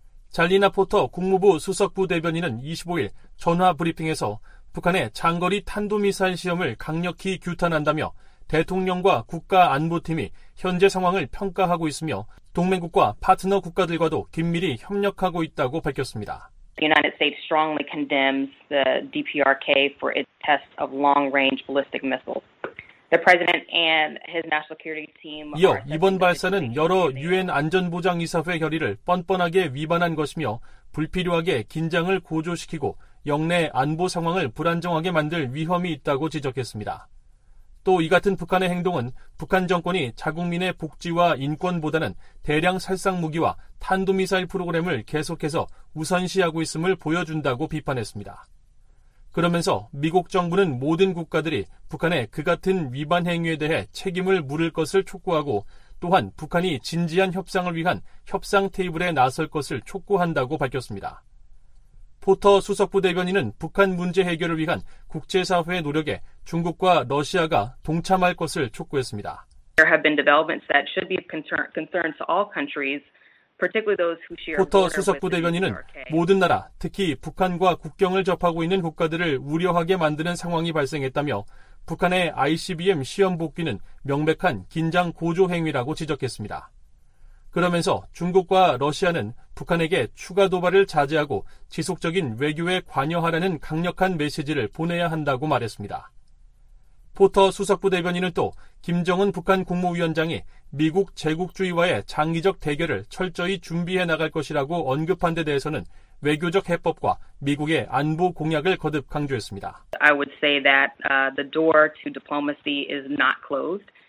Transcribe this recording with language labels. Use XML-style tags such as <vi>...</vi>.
<ko>잘리나 포터 국무부 수석부 대변인은 25일 전화 브리핑에서 북한의 장거리 탄도미사일 시험을 강력히 규탄한다며 대통령과 국가안보팀이 현재 상황을 평가하고 있으며 동맹국과 파트너 국가들과도 긴밀히 협력하고 있다고 밝혔습니다.</ko> <en>The United States strongly condemns the DPRK for its test of long-range ballistic missiles. The president and his national security team.</en> <ko>이어 이번 발사는 여러 유엔 안전보장이사회 결의를 뻔뻔하게 위반한 것이며 불필요하게 긴장을 고조시키고 영내 안보 상황을 불안정하게 만들 위험이 있다고 지적했습니다. 또 이 같은 북한의 행동은 북한 정권이 자국민의 복지와 인권보다는 대량 살상무기와 탄도미사일 프로그램을 계속해서 우선시하고 있음을 보여준다고 비판했습니다. 그러면서 미국 정부는 모든 국가들이 북한의 그 같은 위반 행위에 대해 책임을 물을 것을 촉구하고 또한 북한이 진지한 협상을 위한 협상 테이블에 나설 것을 촉구한다고 밝혔습니다. 포터 수석부 대변인은 북한 문제 해결을 위한 국제사회의 노력에 중국과 러시아가 동참할 것을 촉구했습니다.</ko> <en>There have been developments that should be concern to all countries, particularly those who share.</en> <ko>포터 수석부 대변인은 모든 나라, 특히 북한과 국경을 접하고 있는 국가들을 우려하게 만드는 상황이 발생했다며 북한의 ICBM 시험 복귀는 명백한 긴장 고조 행위라고 지적했습니다. 그러면서 중국과 러시아는 북한에게 추가 도발을 자제하고 지속적인 외교에 관여하라는 강력한 메시지를 보내야 한다고 말했습니다. 포터 수석부 대변인은 또 김정은 북한 국무위원장이 미국 제국주의와의 장기적 대결을 철저히 준비해 나갈 것이라고 언급한 데 대해서는 외교적 해법과 미국의 안보 공약을 거듭 강조했습니다.</ko> <en>I would say that the door to diplomacy is not closed.</en>